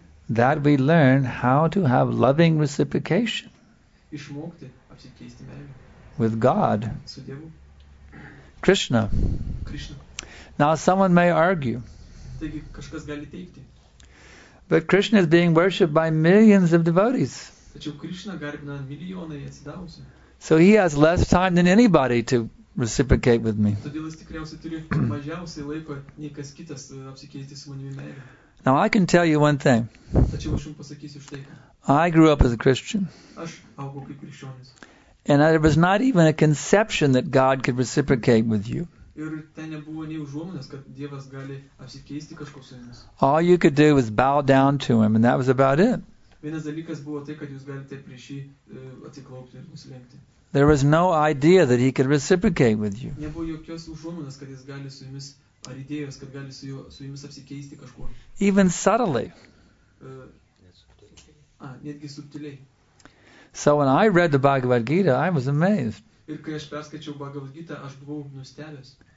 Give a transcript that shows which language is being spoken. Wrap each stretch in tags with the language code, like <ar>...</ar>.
<en>that we learn how to have loving reciprocation</en> <lt>išmokti apsikeisti meilę</lt> <en>with God,</en> <lt>su Dievu.</lt> <en>Krishna. Now someone may argue,</en> <lt>taigi, kažkas gali teikti,</lt> <en>but Krishna is being worshipped by millions of devotees.</en> <lt>Tačiau Krishna garbina milijonai atsidavusių.</lt> <en>So he has less time than anybody to reciprocate with me.</en> <lt>Todėl jis tikriausiai turi mažiausiai laiko nei kas kitas apsikeisti su manimi meilę.</lt> <en>Now I can tell you one thing.</en> <lt>Tačiau aš jums pasakysiu štai ką.</lt> <en>I grew up as a Christian.</en> <lt>Aš augau kaip krikščionis.</lt> <en>And there was not even a conception that God could reciprocate with you.</en> <lt>Ir ten nebuvo nei užuominas, kad Dievas gali apsikeisti kažko su jumis.</lt> <en>All you could do was bow down to him, and that was about it.</en> <lt>Vienas dalykas buvo tai, kad jūs galite prieš jį atsiklaupti ir nusilenkti.</lt> <en>There was no idea that he could reciprocate with you.</en> <lt>Nebuvo jokios užuominas, kad jis gali su jumis, ar idėjos, kad gali su, su jumis apsikeisti kažkuo.</lt> <en>Even subtly.</en> <lt>Netgi subtiliai.</lt> <en>So when I read the Bhagavad Gita, I was amazed.</en> <lt>Ir kai aš perskaičiau Bhagavad Gita, aš buvau nustebęs.</lt>